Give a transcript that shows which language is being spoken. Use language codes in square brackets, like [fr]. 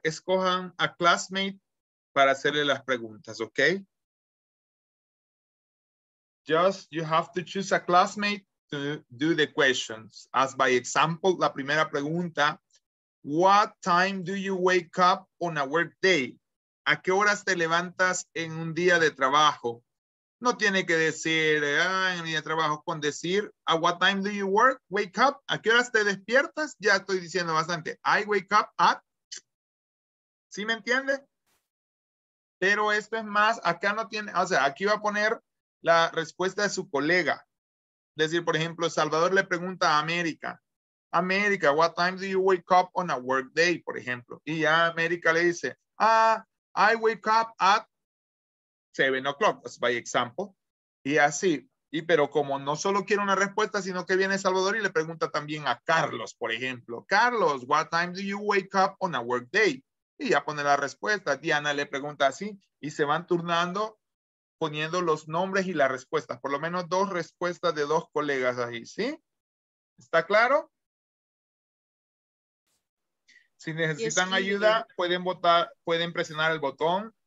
[es] Escojan a classmate para hacerle las preguntas, okay? [en] Just, you have to choose a classmate to do the questions. As by example, [es] la primera pregunta, [en] what time do you wake up on a work day? [es] ¿A qué horas te levantas en un día de trabajo? No tiene que decir, en mi trabajo, con decir, ¿a [en] what time do you work? Wake up. [es] ¿A qué horas te despiertas? Ya estoy diciendo bastante. [en] I wake up at. [es] ¿Sí me entiende? Pero esto es más, acá no tiene, o sea, aquí va a poner la respuesta de su colega. Es decir, por ejemplo, Salvador le pregunta a América. [en] América, what time do you wake up on a work day, [es] por ejemplo. Y ya América le dice, [en] I wake up at 7 o'clock, by example, [es] y así. Y pero como no solo quiere una respuesta, sino que viene Salvador y le pregunta también a Carlos, por ejemplo. [en] Carlos, what time do you wake up on a work day? [es] Y ya pone la respuesta. Diana le pregunta así y se van turnando poniendo los nombres y las respuestas. Por lo menos dos respuestas de dos colegas ahí, ¿sí? ¿Está claro? Si necesitan ayuda, pueden votar, pueden presionar el botón.